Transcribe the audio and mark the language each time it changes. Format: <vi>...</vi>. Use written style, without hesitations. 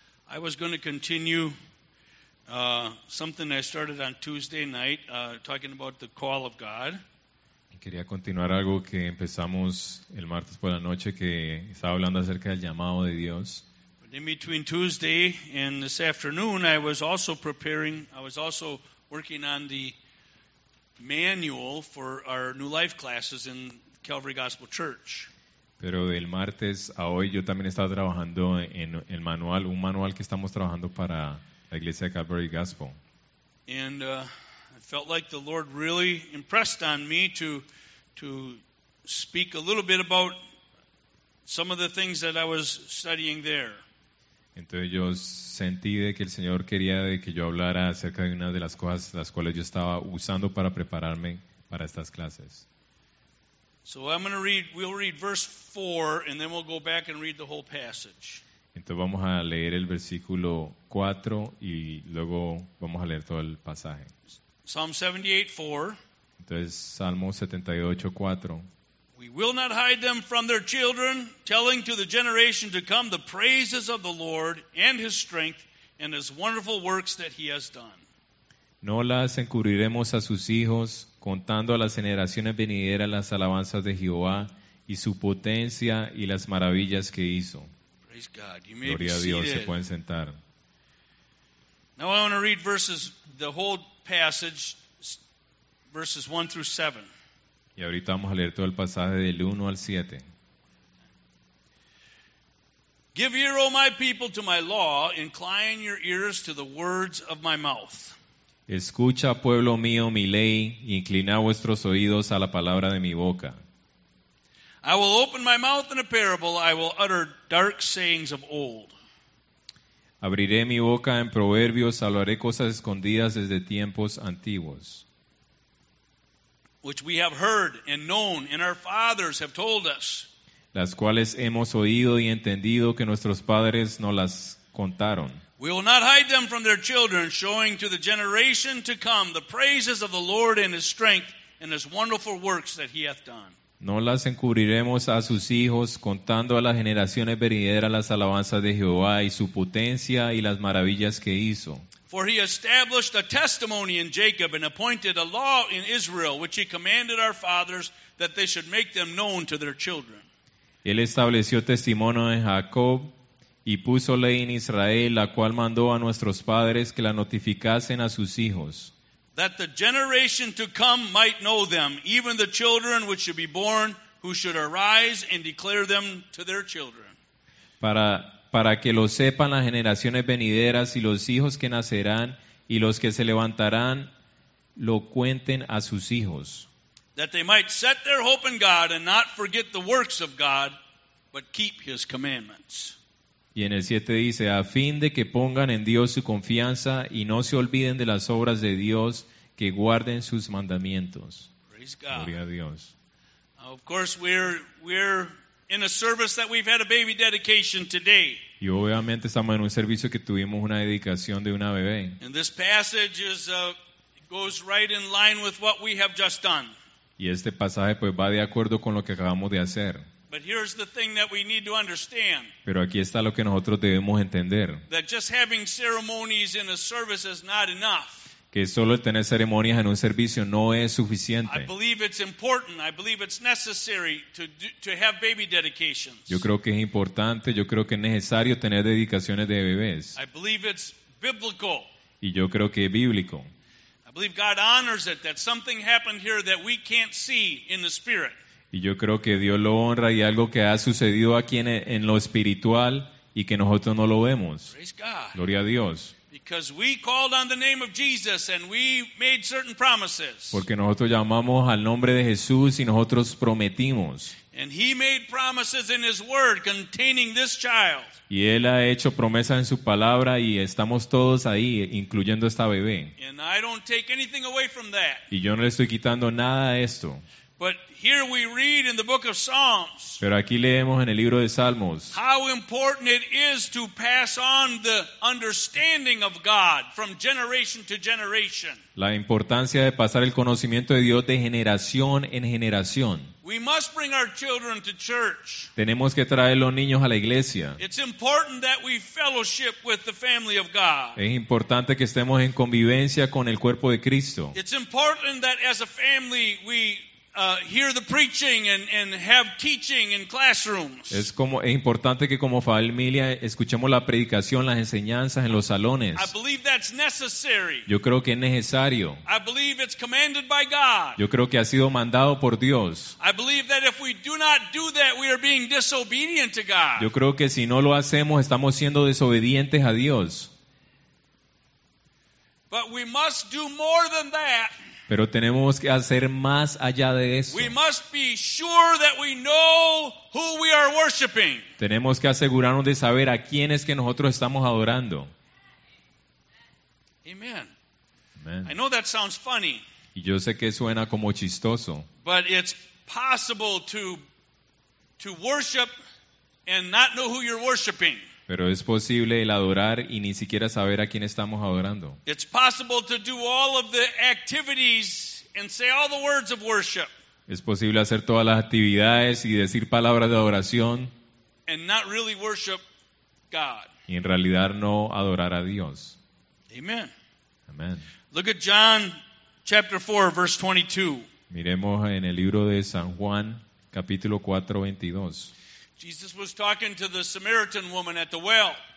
<en>I was going to continue something I started on Tuesday night, talking about the call of God.</en> <es>Quería continuar algo que empezamos el martes por la noche, que estaba hablando acerca del llamado de Dios.</es> <en>In between Tuesday and this afternoon, I was also preparing, I was also working on the manual for our New Life classes in Calvary Gospel Church.</en> <es>Pero del martes a hoy, yo también estaba trabajando en el manual, un manual que estamos trabajando para la Iglesia de Calvary Gospel.</es> <en>And I felt like the Lord really impressed on me to speak a little bit about some of the things that I was studying there.</en> <es>Entonces yo sentí de que el Señor quería de que yo hablara acerca de una de las cosas las cuales yo estaba usando para prepararme para estas clases.</es> <en>So I'm going to read, we'll read verse 4 and then we'll go back and read the whole passage.</en> <es>Entonces vamos a leer el versículo 4 y luego vamos a leer todo el pasaje.</es> <en>Psalm 78:4.</en> <es>Entonces Salmo 78:4.</es> <en>We will not hide them from their children, telling to the generation to come the praises of the Lord and his strength and his wonderful works that he has done.</en> <es>No las encubriremos a sus hijos, contando a las generaciones venideras las alabanzas de Jehová y su potencia y las maravillas que hizo.</es> <en>Praise God. You may Gloria be</en> <es>a Dios,</es> <en>seated.</en> <es>Se pueden sentar.</es> <en>Now I want to read verses, the whole passage, verses 1 through 7.</en> <es>Y ahorita vamos a leer todo el pasaje del 1 al 7.</es> <en>Give ear, O my people, to my law, incline your ears to the words of my mouth.</en> <es>Escucha, pueblo mío, mi ley, inclina vuestros oídos a la palabra de mi boca.</es> <en>I will open my mouth in a parable, I will utter dark sayings of old.</en> <es>Abriré mi boca en proverbios, hablaré cosas escondidas desde tiempos antiguos.</es> <en>Which we have heard and known, and our fathers have told us.</en> <es>Las cuales hemos oído y entendido que nuestros padres nos las contaron.</es> <en>We will not hide them from their children, showing to the generation to come the praises of the Lord and his strength and his wonderful works that he hath done.</en> <es>No las encubriremos a sus hijos, contando a las generaciones venideras las alabanzas de Jehová y su potencia y las maravillas que hizo.</es> <en>For he established a testimony in Jacob and appointed a law in Israel, which he commanded our fathers that they should make them known to their children.</en> <es>Él estableció testimonio en Jacob y puso ley en Israel, la cual mandó a nuestros padres que la notificasen a sus hijos.</es> <en>That the generation to come might know them, even the children which should be born, who should arise and declare them to their children.</en> <es>Para que lo sepan las generaciones venideras y los hijos que nacerán y los que se levantarán, lo cuenten a sus hijos.</es> <en>That they might set their hope in God and not forget the works of God, but keep his commandments.</en> <es>Y en el 7 dice, a fin de que pongan en Dios su confianza y no se olviden de las obras de Dios, que guarden sus mandamientos.</es> <en>Praise God.</en> <es>Gloria a Dios.</es> <en>Of course, we're in a service that we've had a baby dedication today.</en> <es>Y obviamente estamos en un servicio que tuvimos una dedicación de una bebé.</es> <en>And this passage is goes right in line with what we have just done.</en> <es>Y este pasaje pues va de acuerdo con lo que acabamos de hacer.</es> <en>But here's the thing that we need to understand.</en> <es>Pero aquí está lo que nosotros debemos entender.</es> <en>That just having ceremonies in a service is not enough.</en> <es>Que solo el tener ceremonias en un servicio no es suficiente.</es> <en>I believe it's important. I believe it's necessary to have baby dedications.</en> <es>Yo creo que es importante. Yo creo que es necesario tener dedicaciones de bebés.</es> <en>I believe it's biblical.</en> <es>Y yo creo que es bíblico.</es> <en>I believe God honors it that something happened here that we can't see in the spirit.</en> <es>Y yo creo que Dios lo honra y algo que ha sucedido aquí en lo espiritual y que nosotros no lo vemos. Gloria a Dios.</es> <en>Because we called on the name of Jesus and we made certain promises.</en> <es>Porque nosotros llamamos al nombre de Jesús y nosotros prometimos.</es> <en>And he made promises in his word containing this child.</en> <es>Y él ha hecho promesas en su palabra y estamos todos ahí, incluyendo esta bebé.</es> <en>And I don't take anything away from that.</en> <es>Y yo no le estoy quitando nada a esto.</es> <en>But here we read in the book of Psalms.</en> <es>Pero aquí leemos en el libro de Salmos.</es> <en>How important it is to pass on the understanding of God from generation to generation.</en> <es>La importancia de pasar el conocimiento de Dios de generación en generación.</es> <en>We must bring our children to church.</en> <es>Tenemos que traer los niños a la iglesia.</es> <en>It's important that we fellowship with the family of God.</en> <es>Es importante que estemos en convivencia con el cuerpo de Cristo.</es> <en>It's important that as a family we hear the preaching and have teaching in classrooms.</en> <es>Es importante que como familia escuchemos la predicación, las enseñanzas en los salones.</es> <en>I believe that's necessary.</en> <es>Yo creo que es necesario.</es> <en>I believe it's commanded by God.</en> <es>Yo creo que ha sido mandado por Dios.</es> <en>I believe that if we do not do that, we are being disobedient to God.</en> <es>Yo creo que si no lo hacemos, estamos siendo desobedientes a Dios.</es> <en>But we must do more than that.</en> <es>Pero tenemos que hacer más allá de eso.</es> <en>We must be sure that we know who we are worshiping.</en> <es>Tenemos que asegurarnos de saber a quién es que nosotros estamos adorando.</es> <en>Amen.</en> <es>Amen.</es> <en>I know that sounds funny.</en> <es>Y yo sé que suena como chistoso.</es> <en>But it's possible to worship and not know who you're worshiping.</en> <es>Pero es posible el adorar y ni siquiera saber a quién estamos adorando.</es> <en>It's possible to do all of the activities and say all the words of worship.</en> <es>Es posible hacer todas las actividades y decir palabras de adoración.</es> <en>And not really worship God.</en> <es>Y en realidad no adorar a Dios.</es> <en>Amen.</en> <es>Amen.</es> <en>Look at John chapter 4 verse 22.</en> <es>Miremos en el libro de San Juan capítulo 4 22.</es> <en>Jesus was talking to the Samaritan woman at the well.</en>